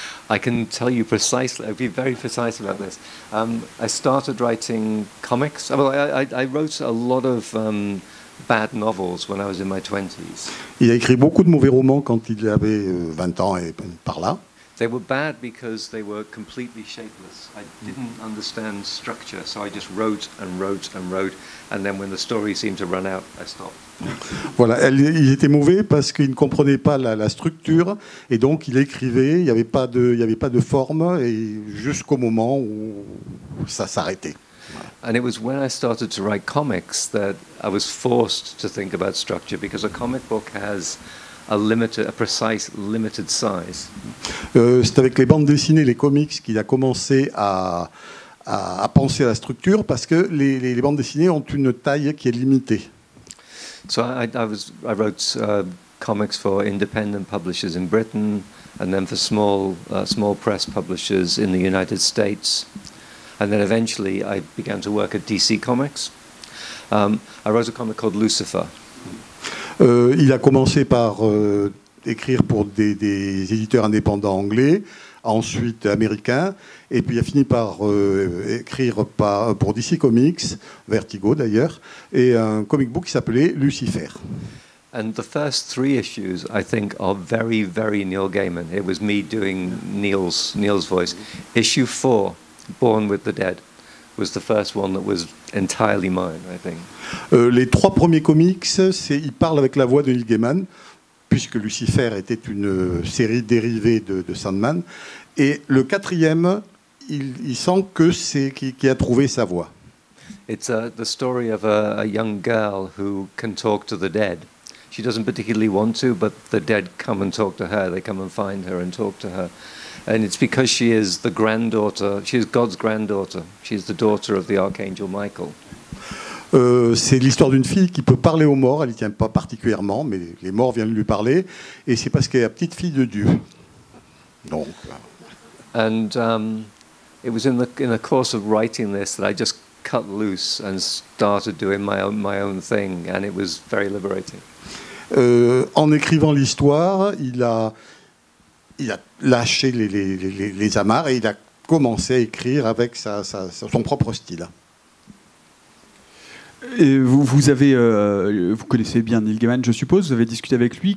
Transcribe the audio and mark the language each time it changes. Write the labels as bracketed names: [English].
[English] I can tell you precisely. I'll be very precise about this. I started writing comics. Well, I wrote a lot of bad novels when I was in my 20s. [French] Il a écrit beaucoup de mauvais romans quand il avait 20 ans et par là. [English] They were bad because they were completely shapeless. I didn't understand structure, so I just wrote and wrote and wrote, and then when the story seemed to run out, I stopped. [French] Voilà, il était mauvais parce qu'il ne comprenait pas la structure, et donc il écrivait, il n'y avait pas de forme, et jusqu'au moment où ça s'arrêtait. [English] And it was when I started to write comics that I was forced to think about structure, because a comic book has a precise limited size. [French] C'est avec les bandes dessinées, les comics, qu'il a commencé à penser à la structure, parce que les bandes dessinées ont une taille qui est limitée. [English] So I wrote comics for independent publishers in Britain, and then for small press publishers in the United States, and then eventually I began to work at DC Comics. I wrote a comic called Lucifer. [French] Il a commencé par écrire pour des éditeurs indépendants anglais, ensuite américains, et puis il a fini par écrire pour DC Comics, Vertigo d'ailleurs, et un comic book qui s'appelait Lucifer. [English] And the first three issues, I think, are very, very Neil Gaiman. It was me doing Neil's voice. Issue 4, Born with the Dead, was the first one that was entirely mine, I think. [French] Les trois premiers comics, c'est il parle avec la voix de Neil Gaiman, puisque Lucifer était une série dérivée de Sandman, et le quatrième, il sent que c'est qui a trouvé sa voix. [English] It's the story of a young girl who can talk to the dead. She doesn't particularly want to, but the dead come and talk to her. They come and find her and talk to her. And it's because she is the granddaughter, she is God's granddaughter. She is the daughter of the archangel Michael. [French] C'est l'histoire d'une fille qui peut parler aux morts. Elle n'y tient pas particulièrement, mais les morts viennent lui parler. Et c'est parce qu'elle est la petite fille de Dieu. Donc. [English] And it was in the course of writing this that I just cut loose and started doing my own thing, and it was very liberating. [French] En écrivant l'histoire, il a lâché les amarres et il a commencé à écrire avec son propre style. Et vous connaissez bien Neil Gaiman, je suppose. Vous avez discuté avec lui.